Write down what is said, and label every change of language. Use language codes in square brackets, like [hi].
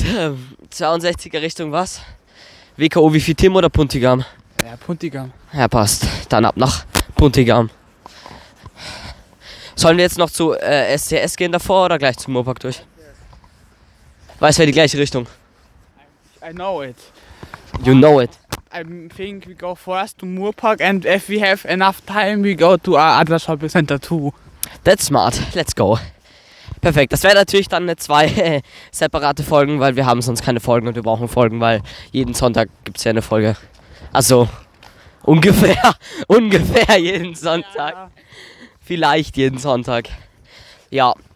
[de] 62er Richtung was? WKO wie viel Tim oder Puntigam? Ja, Puntigam. Ja, passt. Dann ab nach Puntigam. Sollen wir jetzt noch zu SCS gehen davor oder gleich zum Moorpark durch? Weil es wäre die gleiche Richtung. [en] I know it. You know it. I think we go first to Moorpark and if we have enough time, we go to our other shopping center too. That's smart. Let's go. [de] Perfekt. Das wäre natürlich dann eine zwei separate Folgen, weil wir haben sonst keine Folgen und wir brauchen Folgen, weil jeden Sonntag gibt es ja eine Folge. Also ungefähr jeden Sonntag. Ja, ja. Vielleicht jeden Sonntag. Ja,